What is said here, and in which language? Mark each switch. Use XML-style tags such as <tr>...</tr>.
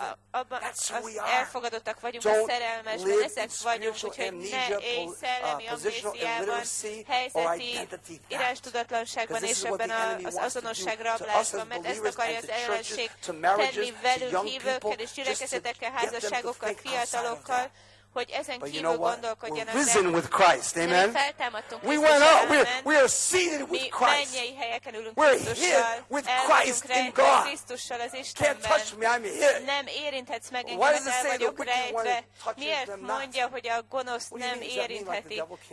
<hu>Abban az elfogadottak vagyunk a szerelmesben, ezek vagyunk, úgyhogy ne élj szellemi amnéziában, helyzeti írástudatlanságban és ebben az azonosság rablásban, mert ezt akarja az ellenség tenni velünk hívőkkel és gyülekezetekkel, házasságokkal, fiatalokkal, hogy ezen kívül gondolkodjanak.</hu> <en>We're risen with Christ, amen. We went up, we are seated with Christ. We're here with Christ in God. Can't touch me, I'm here.</en> <hu>Nem érinthetsz meg engem, mert el vagyok rejtve. Miért mondja, hogy a gonosz nem érintheti?</hu>